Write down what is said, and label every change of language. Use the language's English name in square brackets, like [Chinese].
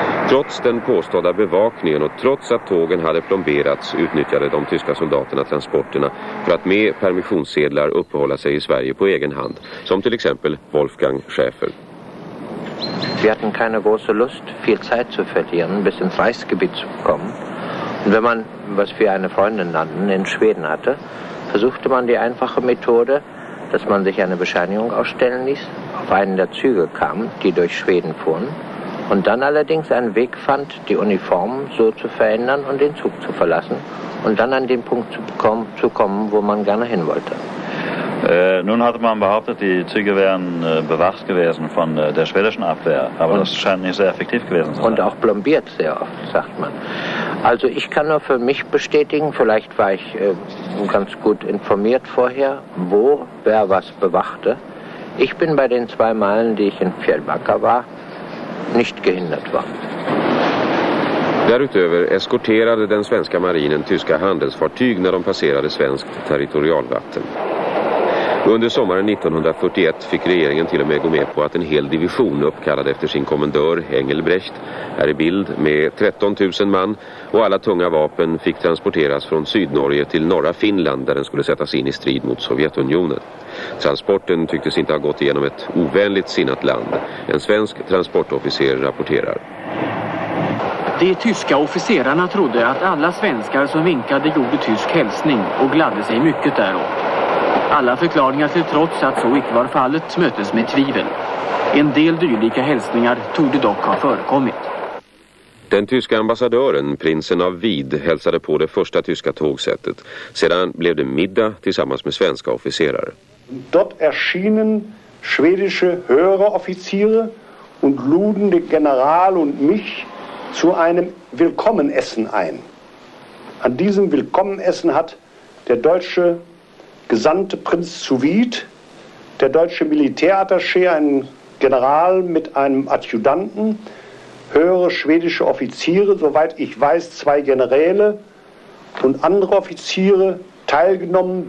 [Swedish] Trots den påstådda bevakningen och trots att tågen hade plomberats utnyttjade de tyska soldaterna transporterna för att med permissionssedlar uppehålla sig i Sverige på egen hand, som till exempel Wolfgang Schäfer. Vi hade [German] keine große Lust, viel Zeit zu verlieren, bis ins Reichsgebiet zu kommen. Und wenn man, was wir eine Freundin nannten, in Schweden hatte, versuchte man die einfache Methode, dass man sich eine Bescheinigung ausstellen ließ, auf einen der Züge kam, die durch Schweden fuhren. Und dann allerdings einen Weg fand, die Uniform so zu verändern und den Zug zu verlassen und dann an den Punkt zu kommen, wo man gerne hin wollte. Nun hatte man behauptet, die Züge wären bewacht gewesen von der schwedischen Abwehr, aber das scheint nicht sehr effektiv gewesen zu sein. Und auch plombiert sehr oft, sagt man. Also ich kann nur für mich bestätigen, vielleicht war ich ganz gut informiert vorher, wo wer was bewachte. Ich bin bei den zwei Malen, die ich in Fjällbacker war, nicht gehindert war. [Swedish] Därutöver eskorterade den svenska marinen tyska handelsfartyg när de passerade svenskt territorialvatten. Under sommaren 1941 fick regeringen till och med gå med på att en hel division uppkallad efter sin kommendör Engelbrecht är i bild med 13 000 man och alla tunga vapen fick transporteras från Sydnorge till norra Finland där den skulle sättas in i strid mot Sovjetunionen. Transporten tycktes inte ha gått igenom ett ovänligt sinnat land. En svensk transportofficer rapporterar. De tyska officerarna trodde att alla svenskar som vinkade gjorde tysk hälsning och gladde sig mycket däråt. Alla förklaringar till trots att så icke var fallet möttes med tvivel. En del dylika hälsningar tog det dock ha förekommit. Den tyska ambassadören, prinsen av Wied, hälsade på det första tyska tågsättet. Sedan blev det middag tillsammans med svenska officerare. [German] Dort erschienen schwedische Höreroffiziere und luden den General und mich zu einem Willkommenessen ein. An diesem Willkommenessen hat der deutsche Gesandte Prinz zu Wied, der deutsche Militärattaché, ein General mit einem Adjutanten, höhere schwedische Offiziere, soweit ich weiß, zwei Generäle und andere Offiziere teilgenommen.